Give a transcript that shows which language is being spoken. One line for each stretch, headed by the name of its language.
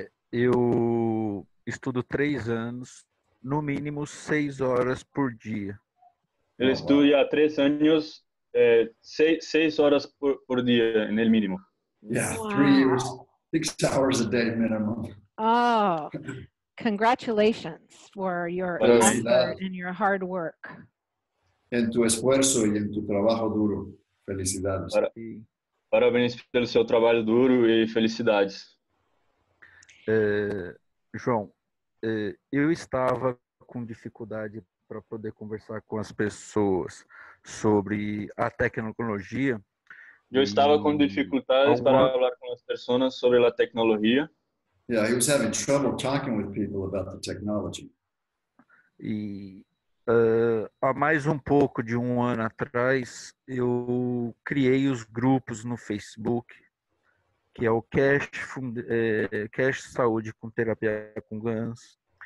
Portuguese: Eu estudo 3 anos, no mínimo 6 horas por dia. Ele estuda 3 anos, 6 horas por dia, no mínimo.
English: Yeah, 3 years, 6 hours a day minimum. Oh, congratulations for your effort and your hard work.
Spanish: En tu esfuerzo y en tu trabajo duro. Felicidades.
Portuguese: Parabéns pelo seu trabalho duro e felicidades. João, eu estava com dificuldade para poder conversar com as pessoas sobre a tecnologia. Eu estava com dificuldades para falar com as pessoas sobre a tecnologia.
English: Yeah, he was having trouble talking with people about the technology.
Portuguese: E há mais um pouco de um ano atrás, eu criei os grupos no Facebook, que é o Cash Saúde com Terapia com GANS.